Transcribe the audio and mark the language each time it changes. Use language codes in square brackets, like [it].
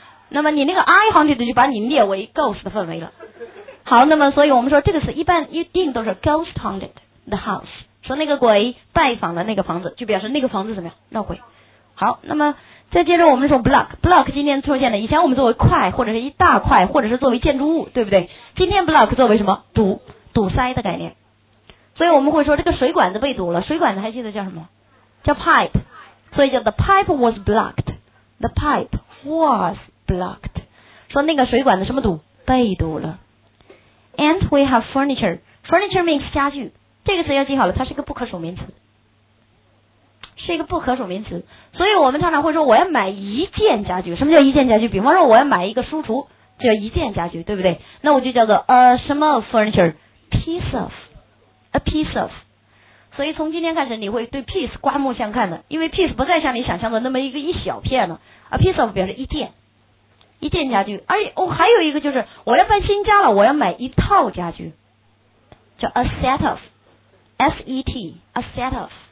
[zh] 那么你那个 [en] I haunted [zh] 就把你列为 ghost 的氛围了。好，那么所以我们说这个词一般一定都是 [en] ghost haunted the house， [zh] 说那个鬼拜访了那个房子，就表示那个房子怎么样闹鬼。好，那么再接着我们说 block 今天出现的，以前我们作为块或者是一大块或者是作为建筑物，对不对？今天 block 作为什么？堵塞的概念。所以我们会说这个水管子被堵了，水管子还记得叫什么？叫 pipe， 所以叫 [en] the pipe was blocked， [zh] the pipe was blocked， 说那个水管子什么堵？被堵了。 [en] And we have furniture means [zh] 家具。这个词要记好了，它是一个不可数名词，是一个不可数名词。所以我们常常会说我要买一件家具，什么叫一件家具？比方说我要买一个书橱，叫一件家具，对不对？那我就叫做什么 [en] furniture， piece of， a piece of。 [zh] 所以从今天开始你会对 piece 刮目相看的，因为 piece 不再像你想象的那么一个一小片了。 [en] a piece of [zh] 表示一件，一件家具。而且、还有一个就是我要搬新家了，我要买一套家具，叫 [en] a set of， [zh] S-E-T， a set of。